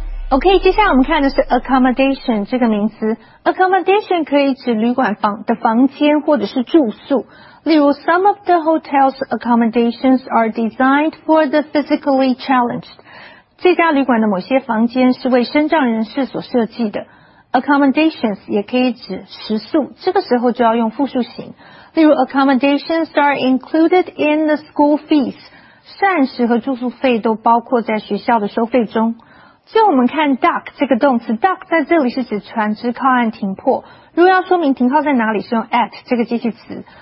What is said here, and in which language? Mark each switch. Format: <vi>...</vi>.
<zh>OK, 接下来我们看的是 accommodation 这个名词。accommodation 可以指旅馆房的房间或者是住宿。例如</zh> <en>,some of the hotel's accommodations are designed for the physically challenged.</en> <zh>这家旅馆的某些房间是为身障人士所设计的。 accommodations 也可以指食宿，这个时候就要用复数型。例如</zh> <en>,accommodations are included in the school fees.</en> <zh>膳食和住宿费都包括在学校的收费中。所以我们看 dock 这个动词 ,dock 在这里是指船只靠岸停泊。如果要说明停靠在哪里是用 at 这个接续词。</zh>